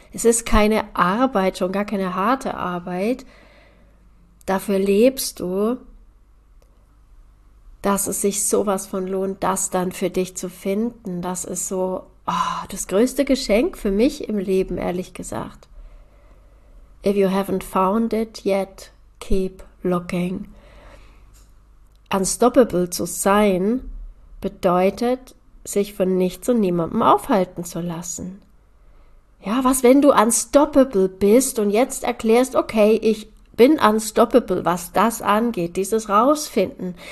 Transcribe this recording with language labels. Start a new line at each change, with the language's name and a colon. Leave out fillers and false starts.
German: Es ist keine Arbeit, schon gar keine harte Arbeit. Dafür lebst du, dass es sich sowas von lohnt, das dann für dich zu finden. Das ist so, oh, das größte Geschenk für mich im Leben, ehrlich gesagt.
English: If you haven't found it yet, keep looking.
German: Unstoppable zu sein bedeutet, sich von nichts und niemandem aufhalten zu lassen. Ja, was, wenn du unstoppable bist und jetzt erklärst, okay, ich bin unstoppable, was das angeht, dieses Rausfinden.